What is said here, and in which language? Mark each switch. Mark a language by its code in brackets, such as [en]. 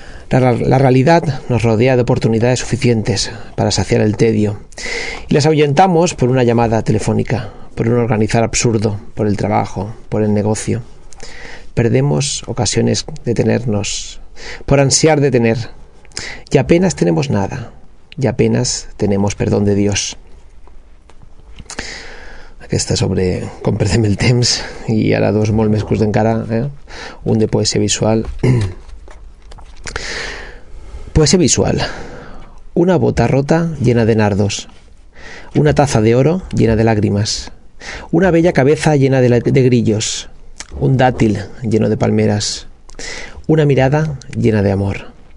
[es] La realidad nos rodea de oportunidades suficientes para saciar el tedio y las ahuyentamos por una llamada telefónica, por un organizar absurdo, por el trabajo, por el negocio. Perdemos ocasiones de tenernos, por ansiar de tener y apenas tenemos nada, y apenas tenemos perdón de Dios. [ca] Aquesta sobre com perdem el temps, i ara dos molt més curts encara, un de poesia visual. Poesia visual. [es] Una bota rota llena de nardos, una taza de oro llena de lágrimas, una bella cabeza llena de grillos, un dátil lleno de palmeras, una mirada llena de amor.